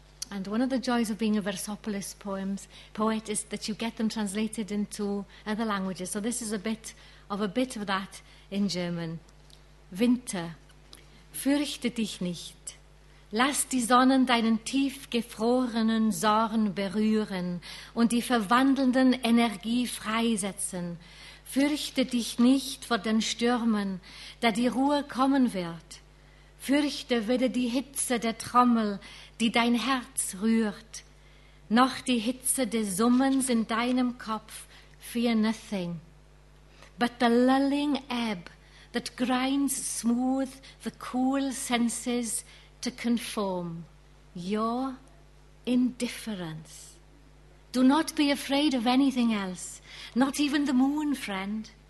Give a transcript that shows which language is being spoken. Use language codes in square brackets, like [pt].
[en] And one of the joys of being a Versopolis poet is that you get them translated into other languages. So this is a bit of that in German. [de] Winter, fürchte dich nicht. Lass die Sonnen deinen tief gefrorenen Zorn berühren und die verwandelnden Energie freisetzen. Fürchte dich nicht vor den Stürmen, da die Ruhe kommen wird. Fürchte weder die Hitze der Trommel, die dein Herz rührt, noch die Hitze des Summens in deinem Kopf. [en] Fear nothing. But the lulling ebb that grinds smooth the cool senses to conform. Your indifference. Do not be afraid of anything else, not even the moon, friend.